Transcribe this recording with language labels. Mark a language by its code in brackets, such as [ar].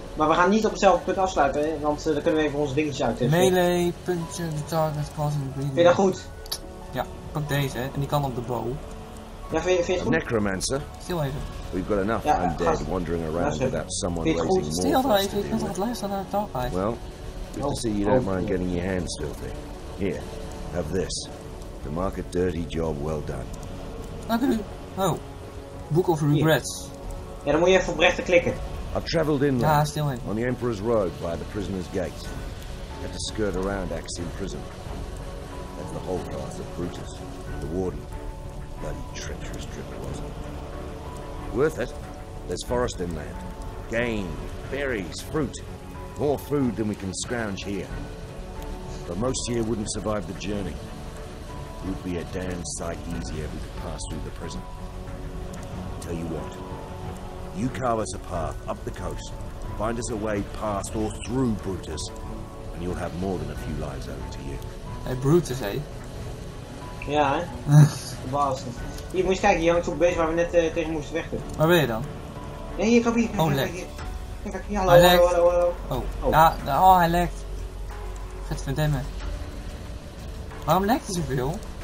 [nl] Maar we gaan niet op hetzelfde punt afsluiten, hè? Want dan kunnen we even onze dingetjes uit. [en] Melee, puntje, the target, causing bleeding. [nl] Vind je dat goed? Ja, pak deze, hè? En die kan op de bow. Ja, vind je het goed? [en] Necromancer. [nl] Stil even. [en] We've got enough undead wandering around without someone raising more. [nl] Vind je het goed? Stil even, ik kan het luisteren naar het dark eye. [en] Well, good to see you don't mind getting your hands filthy. Here, have this. To mark a dirty job well done. [nl] Dank u. Oh. Book of Regrets. Ja, dan moet je even op rechter klikken. [en] I've traveled inland, on the Emperor's Road, by the Prisoner's Gate. Had to skirt around Axiom Prison. That's the whole path of Brutus, the Warden. Bloody treacherous trip it was. Worth it. There's forest inland. Game, berries, fruit. More food than we can scrounge here. But most here wouldn't survive the journey. It would be a damn sight easier if we could pass through the prison. Tell you what. You carve us a path up the coast, find us a way past or through Brutus, and you'll have more than a few lives owed to you. Hey, Brutus, hey? Yeah, hè? Bastard. [nl] Hier, moet je kijken, hier hangt zo'n beest waar we net tegen moesten vechten. Waar ben je dan? Nee, hier, kom hier. Oh, lekt. Hallo. Oh, hij lekt. Gaat verdemmen. Waarom lekt hij zoveel?